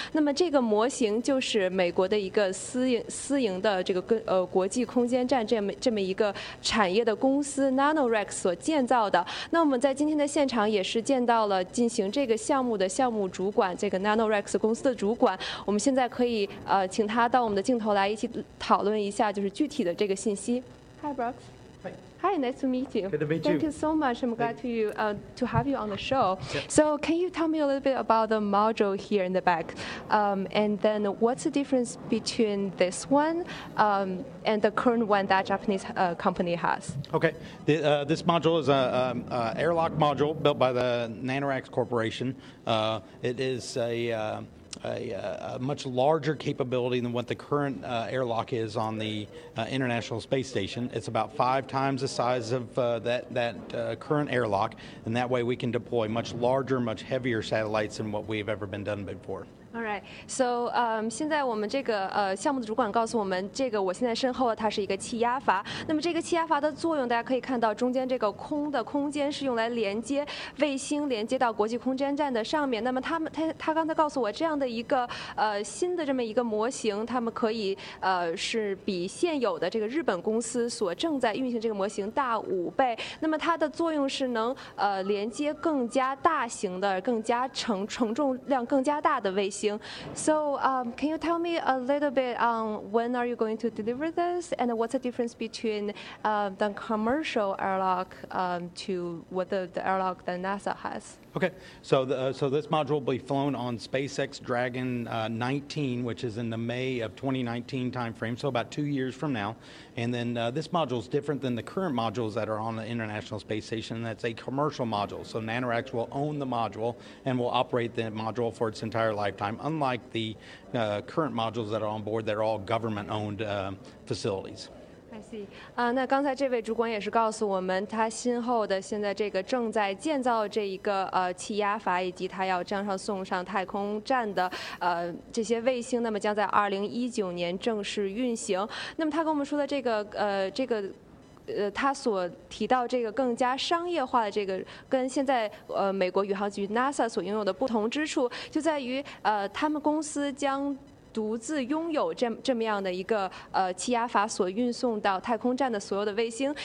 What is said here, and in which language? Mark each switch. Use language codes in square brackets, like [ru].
[zh] 那么这个模型就是美国的一个私营的这个国际空间站这么一个产业的公司 NanoRack 所建造的。那我们在今天的现场也是见到了进行这个项目的项目主管，这个 NanoRack 公司的主管。我们现在可以请他到我们的镜头来一起讨论一下就是具体的这个信息。 [en] Hi Brooks。 Hi, nice to meet you. Good to meet you. Thank you so much. I'm glad to have you on the show. Yep. So can you tell me a little bit about the module here in the back? And then what's the difference between this one and the current one that Japanese company has? Okay. This module is an airlock module built by the NanoRack Corporation. It is a much larger capability than what the current airlock is on the International Space Station. It's about 5 times the size of that current airlock, and that way we can deploy much larger, much heavier satellites than what we've ever been done before. All right. [zh] So, 现在我们这个项目的主管告诉我们，这个我现在身后的它是一个气压阀。那么这个气压阀的作用，大家可以看到中间这个空的空间是用来连接卫星，连接到国际空间站的上面。那么他刚才告诉我，这样的一个新的这么一个模型，他们可以是比现有的这个日本公司所正在运行这个模型大5倍。那么它的作用是能连接更加大型的、更加承重量更加大的卫星。 [en] So, can you tell me a little bit on when are you going to deliver this, and what's the difference between the commercial airlock to what the airlock that NASA has? Okay, so this module will be flown on SpaceX Dragon 19, which is in the May of 2019 timeframe, so about 2 years from now. And then this module is different than the current modules that are on the International Space Station. That's a commercial module, so NanoRack will own the module and will operate the module for its entire life. Time, unlike the current modules that are on board, they're all government-owned facilities. [zh] 那刚才这位主管也是告诉我们，他身后的现在这个正在建造这一个气压阀，以及他要将上送上太空站的这些卫星，那么将在2019年正式运行。那么他跟我们说的他所提到这个更加商业化的这个，跟现在美国宇航局 NASA 所拥有的不同之处，就在于他们公司将独自拥有这么样的一个气压阀所运送到太空站的所有的卫星。